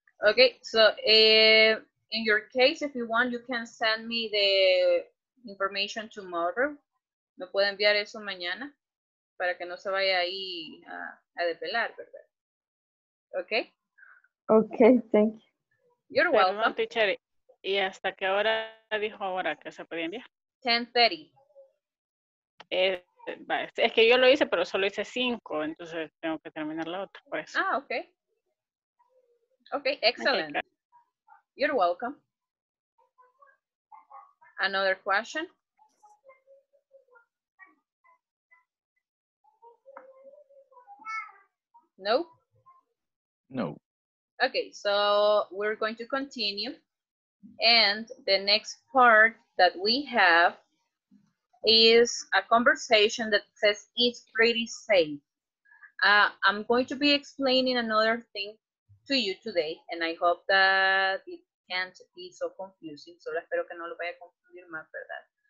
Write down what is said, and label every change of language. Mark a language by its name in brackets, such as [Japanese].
[English] Okay, so in your case, if you want, you can send me the information tomorrow. [Spanish] Me puede enviar eso mañana para que no se vaya ahí a depelar, ¿verdad? [English] Okay? Okay, thank you. You're welcome. [Spanish] Perdón, teacher, ¿y hasta qué hora dijo ahora que se podía enviar? 10:30. Es que yo lo hice, pero solo hice 5, entonces tengo que terminar la otra, por eso. [English] Ah, okay. Okay, excellent. You're welcome. Another question? No? No. Okay, so we're going to continue. And the next part that we have is a conversation that says it's pretty safe. I'm going to be explaining another thing to you today, and I hope that it can't be so confusing. [Spanish] Solo espero que no lo vaya a confundir más, ¿verdad?